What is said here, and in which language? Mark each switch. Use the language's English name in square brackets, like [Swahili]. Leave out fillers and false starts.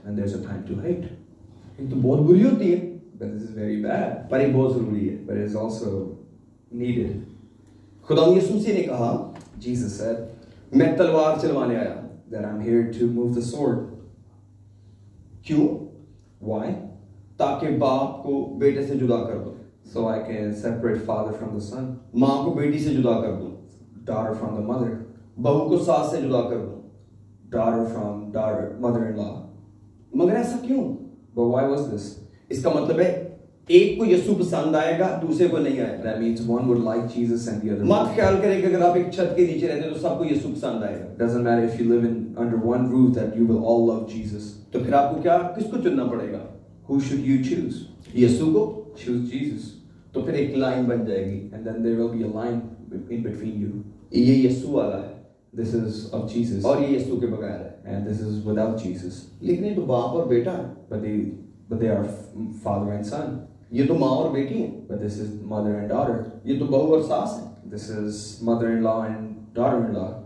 [English] And there's a time to hate. [Hindi] ये तो बहुत बुरी होती है. [English] But this is very bad. [Hindi] पर ये बहुत जरूरी है. [English] But it's also needed. [Hindi] खुदा यीशु मसीह ने कहा. [English] Jesus said. [Hindi] मैं तलवार चलवाने आया. [English] That I'm here to move the sword. [Hindi] क्यों? [English] Why? [Hindi] ताकि बाप को बेटे से जुदा कर दो. [English] So I can separate father from the son. [Hindi] माँ को बेटी से जुदा कर दो. [English] Daughter from the mother. [Hindi] बहू को सास से जुदा कर दूं. [English] Daughter from daughter, mother-in-law. [Hindi] मगर ऐसा क्यों? [English] But why was this? [Hindi] इसका मतलब है एक को यीशु पसंद आएगा दूसरे को नहीं आएगा. [English] That means one would like Jesus and the other. [Hindi] मत ख्याल करें कि अगर आप एक छत के नीचे रहते हैं तो सबको यीशु पसंद आएगा. [English] Doesn't matter if you live in under one roof that you will all love Jesus. [Hindi] तो फिर आपको क्या किसको चुनना पड़ेगा? [English] Who should you choose? [Hindi] यीशु को. [English] Choose Jesus. [Hindi] तो फिर एक लाइन बन जाएगी [English] And then there will be a line in between you. [Hindi] ये यीशु वाला है. [English] This is of Jesus. [Hindi] और ये यीशु के बगैर है. [English] And this is without Jesus. [Hindi] लेकिन ये तो बाप और बेटा. [English] But they are father and son. [Hindi] ये तो माँ और बेटी है. [English] But this is mother and daughter. [Hindi] ये तो बहू और सास है. [English] This is mother-in-law and daughter-in-law.